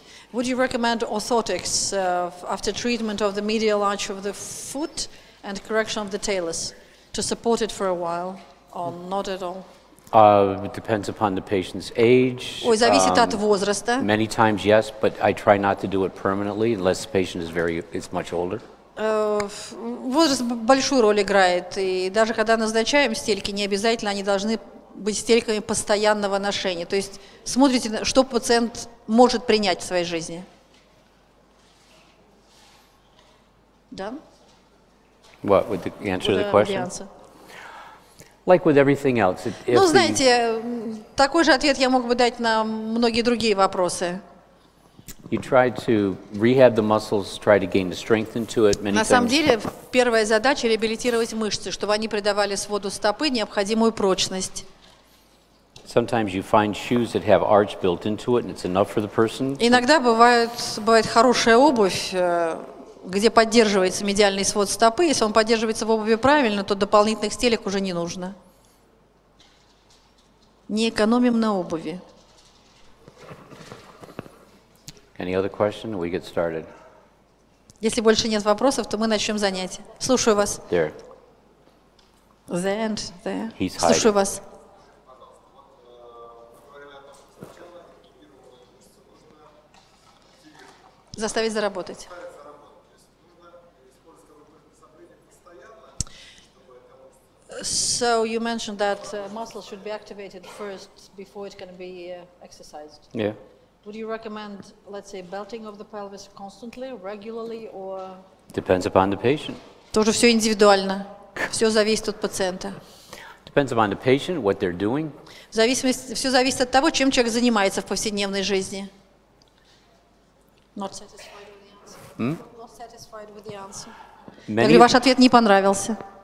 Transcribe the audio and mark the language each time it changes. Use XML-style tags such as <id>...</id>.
<en>Would you recommend orthotics after treatment of the medial arch of the foot and correction of the talus? To support it for a while, or not at all? It depends upon the patient's age.</en> <ru>Ой, зависит от возраста.</ru> <en>Many times, yes, but I try not to do it permanently unless the patient is very, is much older.</en> <ru>Возраст большую роль играет, и даже когда назначаем стельки, не обязательно они должны быть стельками постоянного ношения. То есть смотрите, что пациент может принять в своей жизни. Да?</ru> <en>What would the answer to the question? Like with everything else.</en> <ru>Ну, знаете, такой же ответ я мог бы дать на многие другие вопросы.</ru> <en>You try to rehab the muscles, try to gain the strength into it.</en> <ru>На самом деле, первая задача – реабилитировать мышцы, чтобы они придавали своду стопы необходимую прочность.</ru> <en>Sometimes you find shoes that have arch built into it, and it's enough for the person.</en> <ru>Иногда бывает хорошая обувь, где поддерживается медиальный свод стопы, если он поддерживается в обуви правильно, то дополнительных стелек уже не нужно. Не экономим на обуви.</ru> <en>Any other question? We get started.</en> <ru>Если больше нет вопросов, то мы начнем занятие. Слушаю вас.</ru> <en>There. There and there. He's hiding.</en> <ru>Слушаю вас. Заставить заработать.</ru> <en>So you mentioned that muscles should be activated first before it can be exercised. Yeah. Would you recommend, let's say, belting of the pelvis constantly, regularly, or? Depends upon the patient.</en> <ru>Тоже все индивидуально. Все зависит от пациента.</ru> <en>Depends upon the patient, what they're doing.</en> <ru>Все зависит от того, чем человек занимается в повседневной жизни.</ru> <en>Not satisfied with the answer. Hmm? Not satisfied with the answer.</en> <ru>Я говорю, ваш ответ не понравился.</ru>